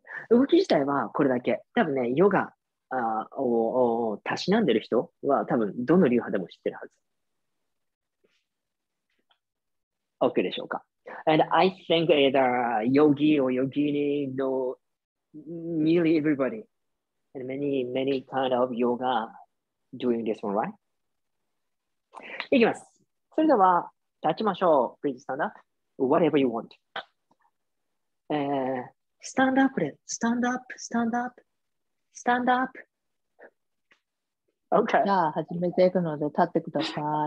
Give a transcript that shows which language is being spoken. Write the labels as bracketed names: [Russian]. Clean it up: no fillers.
[Japanese] 動き自体はこれだけ。多分ね、ヨガをたしなんでる人は多分どの流派でも知ってるはず。 OK でしょうか。 [English] And I think either yogi or yogini know nearly everybody. And many, many kind of yoga doing this one, right? [Japanese] いきます。それでは、立ちましょう。 [English] Please stand up. Whatever you want. Stand up. Stand up. Stand up. Stand up. Okay. [Japanese] じゃあ始めていくので立ってください。